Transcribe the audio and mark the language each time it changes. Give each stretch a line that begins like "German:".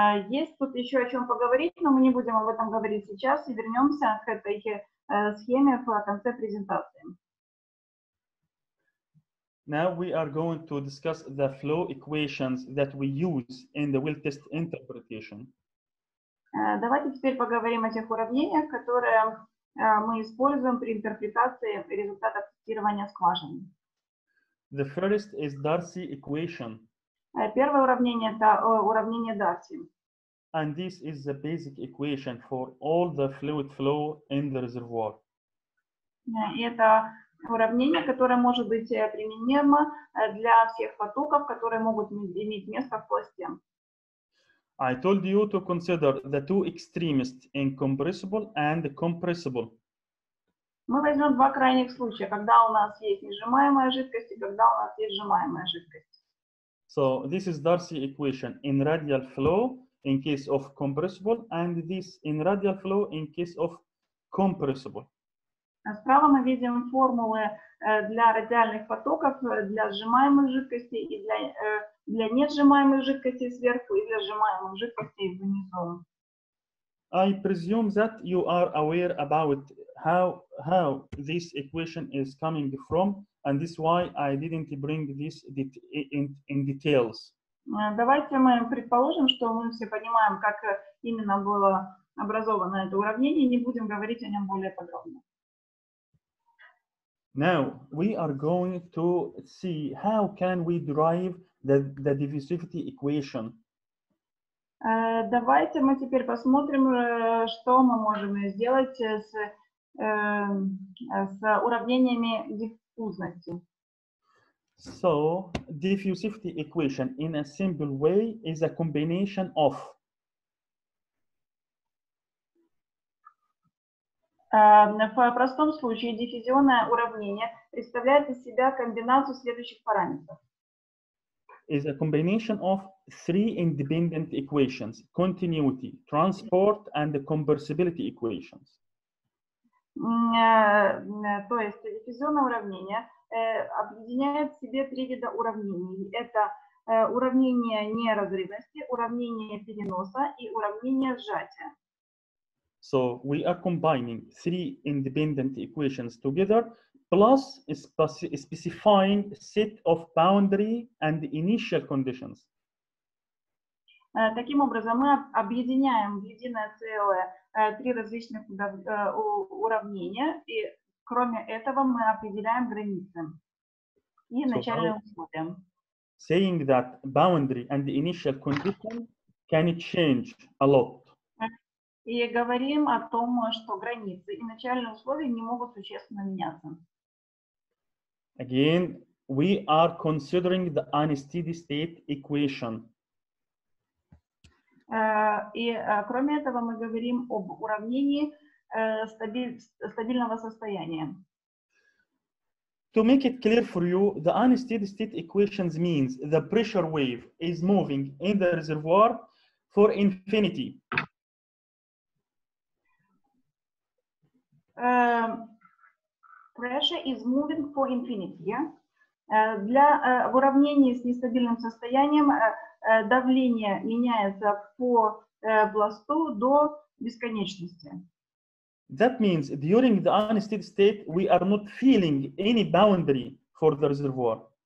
Russian: Есть тут еще о чем поговорить, но мы не будем об этом говорить сейчас и вернемся к этой схеме в конце презентации.
English: Now we are going to discuss the flow equations that we use in the wheel test interpretation.
Russian: Давайте теперь поговорим о тех уравнениях, которые мы используем при интерпретации результатов тестирования скважин.
English: The first is Darcy equation.
Russian: Первое уравнение это уравнение Дарси.
English: And this is the basic equation for all the fluid flow in the reservoir.
Russian: Это уравнение, которое может быть применимо для всех потоков, которые могут иметь место в кости.
English: I told you to consider the two extremes, incompressible and compressible.
Russian: Мы возьмем два крайних случая, когда у нас есть несжимаемая жидкость и когда у нас есть сжимаемая жидкость.
English: So this is Darcy equation in radial flow in case of compressible and this in radial flow in case of compressible.
Russian: Справа мы видим формулы для радиальных потоков, для сжимаемой жидкости и для несжимаемой жидкости сверху и для сжимаемой жидкости внизу.
English: I presume that you are aware about how this equation is coming from, and this is why I didn't bring this in details.
Russian: Давайте мы предположим, что мы все понимаем, как именно было образовано это уравнение, и не будем говорить о нем более подробно.
English: Now we are going to see how can we derive the diffusivity equation.
Russian: Давайте мы теперь посмотрим, что мы можем сделать с уравнениями диффузности.
English: So, diffusivity equation in a simple way is a combination of.
Russian: В простом случае диффузионное уравнение представляет из себя комбинацию следующих параметров.
English: Is a combination of three independent equations: continuity, transport, and the compressibility equations.
Russian: То есть диффузионное уравнение объединяет в себе три вида уравнений. Это уравнение неразрывности, уравнение переноса и уравнение сжатия.
English: So we are combining three independent equations together. Plus specifying set of boundary and initial conditions.
Russian: Таким образом, мы объединяем в единое целое три различных уравнения, и кроме этого мы определяем границы и начальные условия.
English: Saying that boundary and initial condition can change a lot.
Russian: И говорим о том, что границы и начальные условия не могут существенно меняться.
English: Again, we are considering the unsteady state equation.
Russian: Кроме этого, мы говорим об уравнении стабильного состояния.
English: To make it clear for you, the unsteady state equation means the pressure wave is moving in the reservoir for infinity. Pressure is moving for infinity.
Russian: В уравнении с нестабильным состоянием давление меняется по пласту до бесконечности.
English: That means during the unsteady state we are not feeling any boundary for the reservoir.